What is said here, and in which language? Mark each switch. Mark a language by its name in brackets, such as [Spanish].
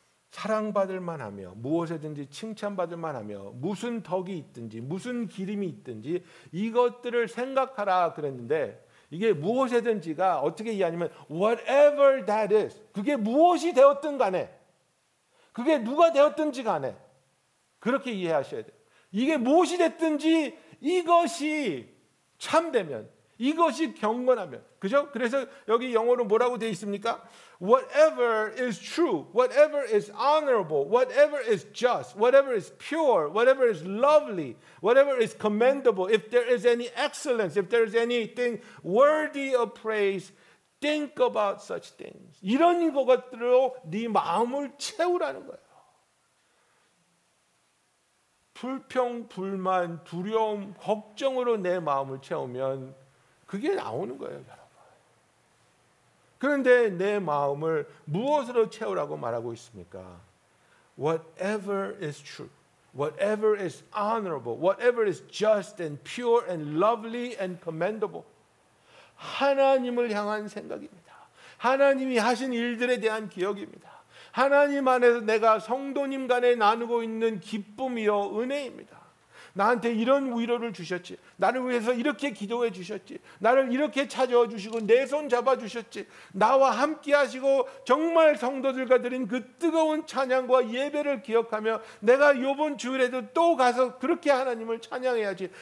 [Korean] 사랑받을 만하며, 무엇에든지 칭찬받을 만하며, 무슨 덕이 있든지, 무슨 기림이 있든지 이것들을 생각하라 그랬는데, 이게 무엇이든지가 어떻게 이해하냐면 [English] whatever that is, [Korean] 그게 무엇이 되었든 간에, 그게 누가 되었든지 간에 그렇게 이해하셔야 돼요. 이게 무엇이 됐든지 이것이 참되면, 이것이 경건하면, 그죠? 그래서 여기 영어로 뭐라고 되어 있습니까? [English] Whatever is true, whatever is honorable, whatever is just, whatever is pure, whatever is lovely, whatever is commendable, if there is any excellence, if there is anything worthy of praise, think about such things. [Korean] 이런 것들로 네 마음을 채우라는 거예요. 불평, 불만, 두려움, 걱정으로 내 마음을 채우면 그게 나오는 거예요, 여러분. 그런데 내 마음을 무엇으로 채우라고 말하고 있습니까? [English] Whatever is true, whatever is honorable, whatever is just and pure and lovely and commendable. [Korean] 하나님을 향한 생각입니다. 하나님이 하신 일들에 대한 기억입니다. 하나님 안에서 내가 성도님 간에 나누고 있는 기쁨이요, 은혜입니다. 나한테 이런 위로를 주셨지. 나를 위해서 이렇게 기도해 주셨지. 나를 이렇게 찾아와 주시고 내 손 잡아 주셨지. 나와 함께 하시고 정말 성도들과 드린 그 뜨거운 찬양과 예배를 기억하며 내가 이번 주일에도 또 가서 그렇게 하나님을 찬양해야지.